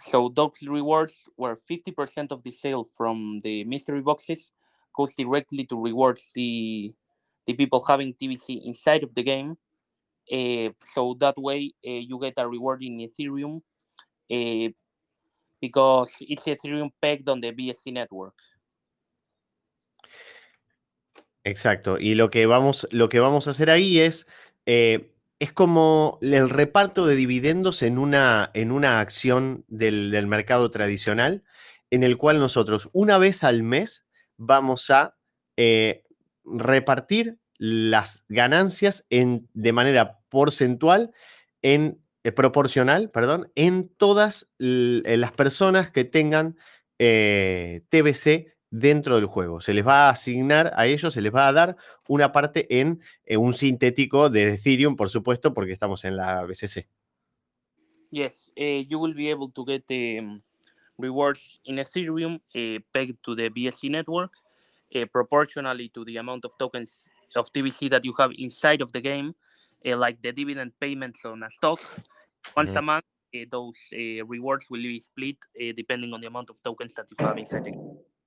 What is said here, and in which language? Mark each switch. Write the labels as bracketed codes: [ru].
[en] So those rewards were 50% of the sale from the mystery boxes goes directly to rewards the people having TBC inside of the game. So that way you get a reward in Ethereum because it's Ethereum pegged on the BSC network. [es] Exacto. Y lo que vamos a hacer ahí es como el reparto de dividendos en una acción del mercado tradicional, en el cual nosotros una vez al mes vamos a repartir las ganancias de manera porcentual, proporcional, perdón, en todas las personas que tengan TBC dentro del juego. Se les va a asignar a ellos, se les va a dar una parte en un sintético de Ethereum, por supuesto, porque estamos en la BCC. [en] Yes, you will be able to get rewards in Ethereum pegged to the BSC network. Proportionally to the amount of tokens of TBC that you have inside of the game, like the dividend payments on a stock. Once a month, those rewards will be split depending on the amount of tokens that you have inside the game.